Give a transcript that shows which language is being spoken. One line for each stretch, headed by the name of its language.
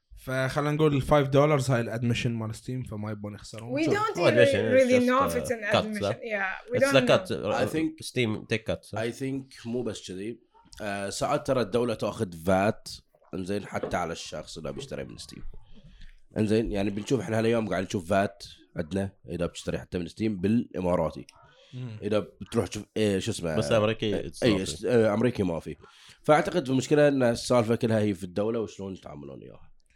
Arabic: فخلنا نقول $5 هاي الادميشن مال ستيم فما يبون يخسرون.
English: We don't really know if it's an admission. Yeah, we it's don't. It's a cut. I think Steam take cut. So. I think
Arabic: مو بس كذي. ساعات ترى الدولة تأخذ VAT. انزين حتى على الشخص اللي بيشتري من ستيم. انزين يعني بنشوف احنا هالايام قاعد نشوف فات عندنا اذا بتشتري حتى من ستيم بالاماراتي. اذا بتروح تشوف شو اسمه بس امريكي اي امريكي ما في. فاعتقد المشكله ان السالفه كلها هي في الدوله وشلون يتعاملون اياها.